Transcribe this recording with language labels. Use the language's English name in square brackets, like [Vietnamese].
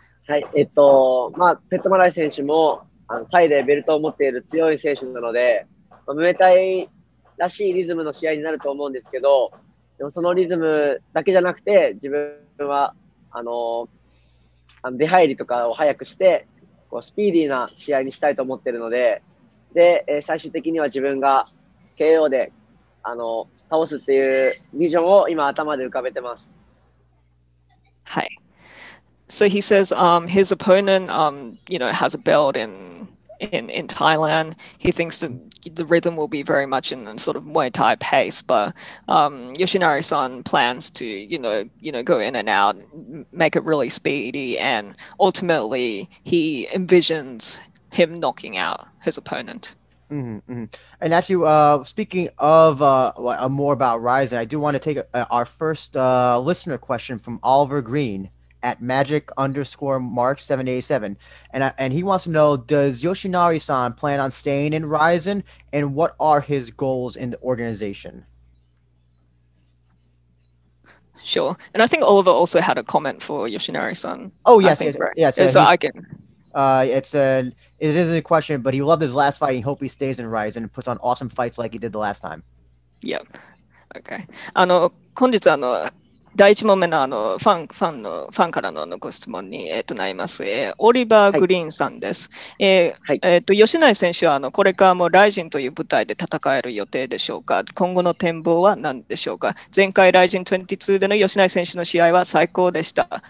[Japanese] はい、まあ、ペットマライ選手もタイでベルトを持っている強い選手なので、ムエタイらしいリズムの試合になると思うんですけど、でもそのリズムだけじゃなくて、自分は出入りとかを早くして、こうスピーディーな試合にしたいと思っているので、で、最終的には自分が KO で倒すっていうビジョンを今頭で浮かべてます。はい。 [English] So he says his opponent, you know, has a belt in Thailand. He thinks that the rhythm will be very much in sort of Muay Thai pace, but Yoshinari-san plans to, you know, go in and out, make it really speedy, and ultimately he envisions him knocking out his opponent. And actually, speaking of more about Ryzen, I do want to take our first listener question from Oliver Green at magic_mark787, and he wants to know, does Yoshinari-san plan on staying in Ryzen, and what are his goals in the organization? Sure, and I think Oliver also had a comment for Yoshinari-san. Oh yes, yes. So I can. It is a question, but he loved his last fight. He hopes he stays in Ryzen and puts on awesome fights like he did the last time. Yep. Okay. [Japanese] 本日第1問目 のファンから のご質問に、なります、オリバー・グリーンさんです。吉成選手はこれからもライジンという舞台で戦える予定でしょうか。今後の展望は何でしょうか。前回ライジン22での吉成選手の試合は最高でした。